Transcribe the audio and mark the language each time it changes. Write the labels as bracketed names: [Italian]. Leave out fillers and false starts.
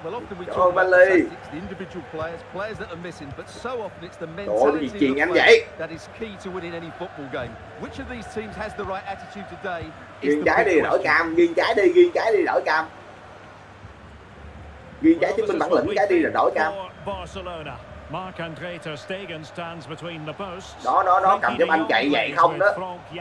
[English] Well often we talk about the individual players, players that are missing, but so often it's the mentality of the players that is key to winning any football game. Which of these teams has the right attitude today? [Vietnamese] Nghiêng trái đi đổi cam, nghiêng trái đi đổi cam. Nghiêng trái chứng minh bản lĩnh, trái đi là đổi cam. [English] Marc-André ter Stegen stands between the posts. [Vietnamese] Đó đó đó cầm giúp anh chạy vậy không đó.